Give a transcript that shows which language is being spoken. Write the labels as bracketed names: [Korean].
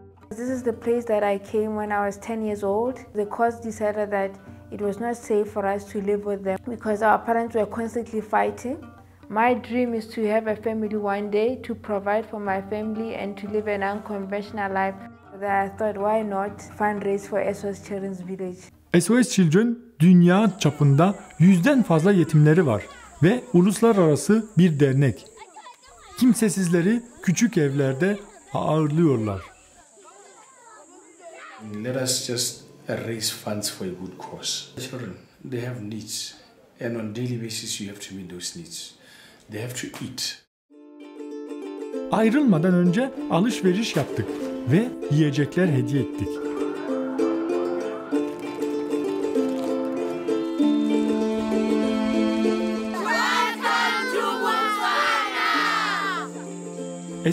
[English] This is the place that I came when I was 10 years old. The cause decided that it was not safe for us to live with them because our parents were constantly fighting. My dream is to have a family one day, to provide for my family and to live an unconventional life. Then I thought, why not fundraise for SOS Children's Village? [Turkish] SOS Children, dünya çapında 100'den fazla yetimleri var ve uluslararası bir dernek. Kimsesizleri küçük evlerde ağırlıyorlar. [English] Let us just raise funds for a good cause. The children, they have needs. And on a daily basis you have to meet those needs. They have to eat. [Turkish] Ayrılmadan önce alışveriş yaptık ve yiyecekler hediye ettik. [English] Welcome to Botswana!